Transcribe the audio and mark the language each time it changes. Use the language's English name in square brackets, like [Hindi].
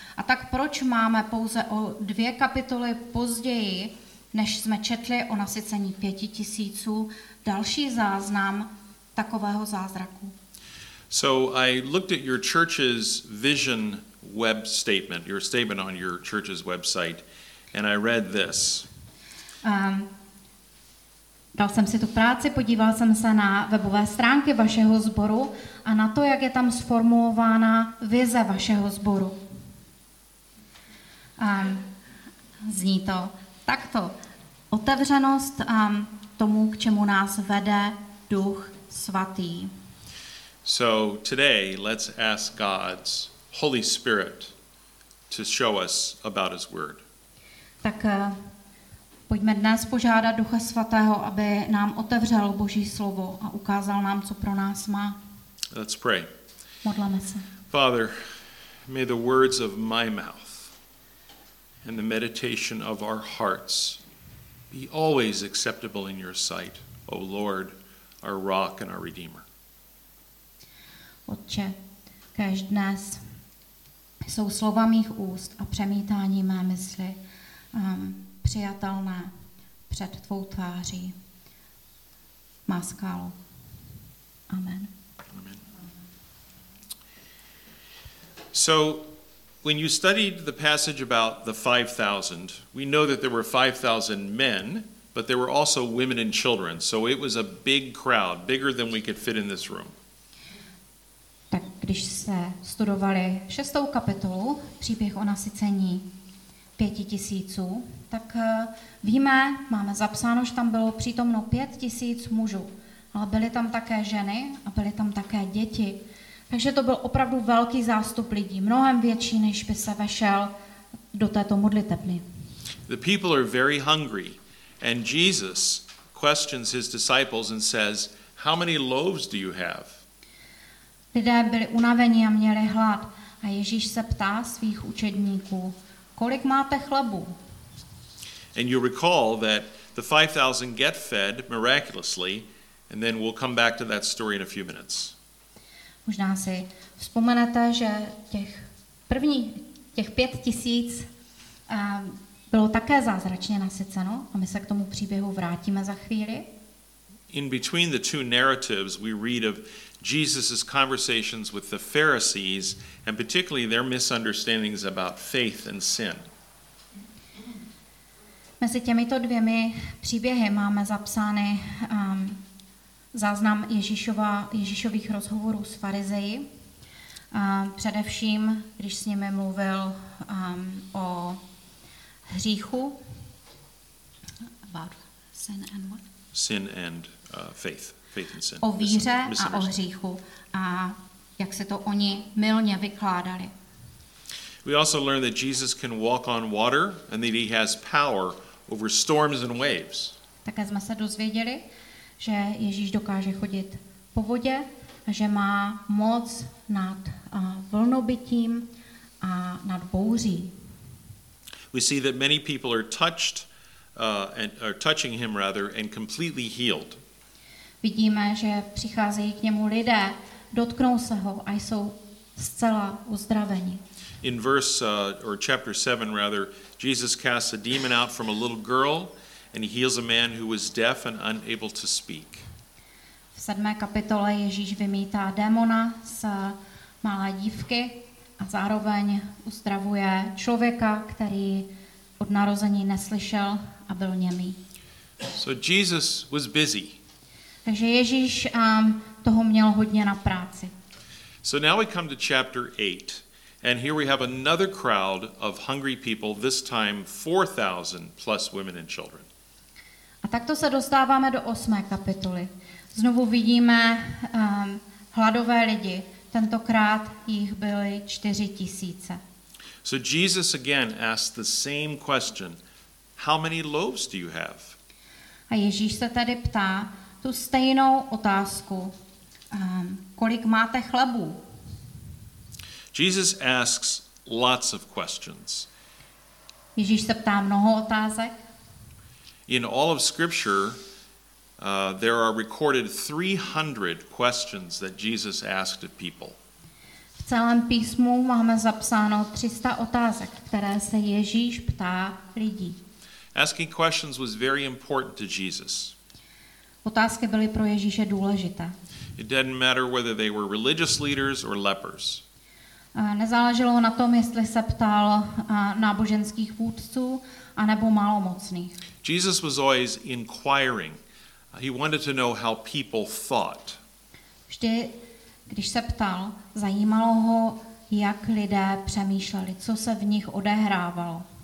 [Czech] A tak proč máme pouze o dvě kapitoly později, než jsme četli o nasycení 5,000, další záznam takového zázraku? [English] So I looked at your church's vision web statement, your statement on your church's website, and I read this. [Czech] Dal jsem si tu práci, podíval jsem se na webové stránky vašeho sboru a na to, jak je tam sformulována vize vašeho sboru. Zní to takto. Otevřenost tomu, k čemu nás vede Duch Svatý. [English] So today, let's ask God's Holy Spirit to show us about his word. [Czech] Tak pojďme dnes požádat Ducha Svatého, aby nám otevřel Boží slovo a ukázal nám, co pro nás má. [English] Let's pray. [Czech] Modleme se. [English] Father, may the words of my mouth and the meditation of our hearts be always acceptable in your sight, O Lord, our rock and our redeemer. [Czech] Otče, kéž dnes jsou slova mých úst a přemítání mé mysli přijatelné před tvou tváří. Má skálo. Amen. Amen. [English] So, when you studied the passage about the 5,000, we know that there were 5,000 men, but there were also women and children, so it was a big crowd, bigger than we could fit in this room. [Czech] Tak když se studovali šestou kapitolu, příběh o nasycení 5,000, tak víme, máme zapsáno, že tam bylo přítomno 5,000 mužů, ale byly tam také ženy a byly tam také děti. Takže to byl opravdu velký zástup lidí, mnohem větší, než by se vešel do této modlitebny. [English] The people are very hungry and Jesus questions his disciples and says, how many loaves do you have? [Czech] Lidé byli unavení a měli hlad. A Ježíš se ptá svých učedníků, kolik máte chlebu? [English] And you recall that the 5,000 get fed miraculously, and then we'll come back to that story in a few minutes. [Czech] Možná si vzpomenete, že těch 5,000 bylo také zázračně nasyceno, a my se k tomu příběhu vrátíme za chvíli. [English] In between the two narratives, we read of Jesus' conversations with the Pharisees and particularly their misunderstandings about faith and sin. [Czech] Mezi těmito dvěmi příběhy máme zapsány záznam Ježíšových rozhovorů s farizeji. Především, když s nimi mluvil o hříchu. [English] About sin and what? Sin and faith. [Czech] O víře a o hříchu a jak se to oni mylně vykládali. [English] We also learned that Jesus can walk on water and that he has power over storms and waves. [Czech] Také jsme se dozvěděli, že Ježíš dokáže chodit po vodě a že má moc nad vlnobytím a nad bouří. [English] We see that many people are touched and are touching him rather and completely healed. [Czech] Vidíme, že přicházejí k němu lidé, dotknou se ho a jsou zcela uzdraveni. [English] In verse or chapter 7 rather, Jesus casts a demon out from a little girl and he heals a man who was deaf and unable to speak. [Czech] V 7. kapitole Ježíš vymítá démona z malé dívky a zároveň uzdravuje člověka, který od narození neslyšel a byl němý. [English] So Jesus was busy. [Czech] Takže Ježíš toho měl hodně na práci. [English] So now we come to chapter 8. And here we have another crowd of hungry people, this time 4,000 plus women and children. [Czech] A takto se dostáváme do 8. kapitoly. Znovu vidíme hladové lidi. Tentokrát jich byly 4,000. [English] So Jesus again asked the same question. How many loaves do you have? [Czech] A Ježíš se tady ptá tu stejnou otázku. Kolik máte chlebů? [English] Jesus asks lots of questions. [Czech] Ježíš se ptá mnoho otázek. [English] In all of Scripture, there are recorded 300 questions that Jesus asked of people. [Czech] V celém písmu máme zapsáno 300 otázek, které se Ježíš ptá lidí. [English] Asking questions was very important to Jesus. [Czech] Otázky byly pro Ježíše důležité. [English] It didn't matter whether they were religious leaders or lepers. [Czech] Nezáleželo na tom, jestli se ptal náboženských vůdců anebo malomocných. [English] Jesus was always inquiring. He wanted to know how people thought. [Czech] Vždy, když se ptal, zajímalo ho, jak lidé přemýšleli, co se v nich odehrávalo.